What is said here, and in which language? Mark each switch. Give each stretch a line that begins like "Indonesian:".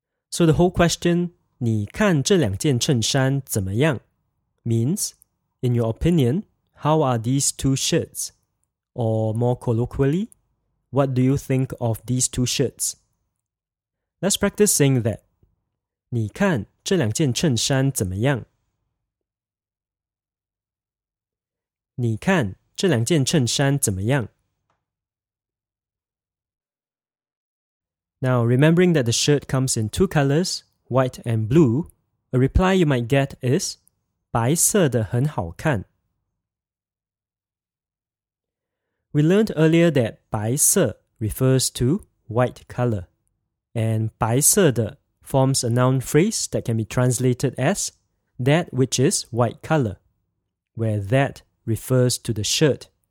English: So the whole question,
Chinese: 你看这两件衬衫怎么样,
English: means, in your opinion, how are these two shirts? Or more colloquially, what do you think of these two shirts? Let's practice saying that.
Chinese: 你看这两件衬衫怎么样? 你看这两件衬衫怎么样?
English: Now, remembering that the shirt comes in two colors, white and blue, a reply you might get is
Chinese: 白色的很好看.
English: We learned earlier that 白色 refers to white color, and 白色的 forms a noun phrase that can be translated as that which is white color, where that refers to the shirt.